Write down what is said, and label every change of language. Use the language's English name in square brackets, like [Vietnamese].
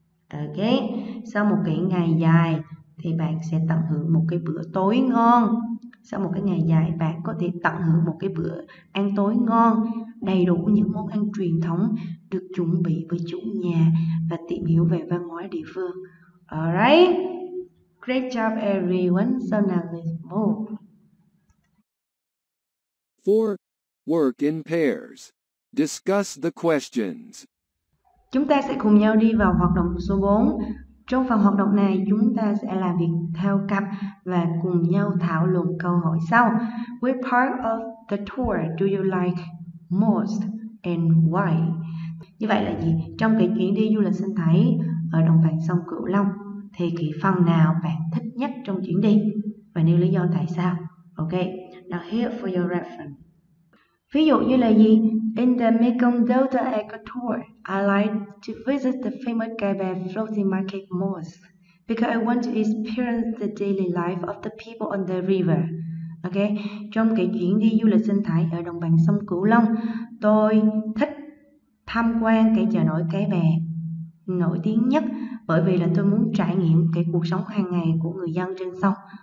[Vietnamese] Okay, sau một cái ngày dài thì bạn sẽ tận hưởng một cái bữa tối ngon. Sau một cái ngày dài, bạn có thể tận hưởng một cái bữa ăn tối ngon, đầy đủ những món ăn truyền thống được chuẩn bị với chủ nhà và tìm hiểu về văn hóa địa phương. [English] Alright, great job everyone. So now let's move. 4. Work in pairs. Discuss the questions. [Vietnamese] Chúng ta sẽ cùng nhau đi vào hoạt động số 4. Trong phần hoạt động này, chúng ta sẽ làm việc theo cặp và cùng nhau thảo luận câu hỏi sau. [English] Which part of the tour do you like most and why? [Vietnamese] Như vậy là gì? Trong cái chuyến đi du lịch sinh thái ở đồng bằng sông Cửu Long, thì cái phần nào bạn thích nhất trong chuyến đi và nêu lý do tại sao? [English] Ok, now here for your reference. [Vietnamese] Ví dụ như là gì? [English] In the Mekong Delta Eco Tour, I like to visit the famous Cái Bè floating market most because I want to experience the daily life of the people on the river. Okay? [Vietnamese] Trong cái chuyến đi du lịch sinh thái ở đồng bằng sông Cửu Long, tôi thích tham quan cái chợ nổi Cái Bè nổi tiếng nhất bởi vì là tôi muốn trải nghiệm cái cuộc sống hàng ngày của người dân trên sông.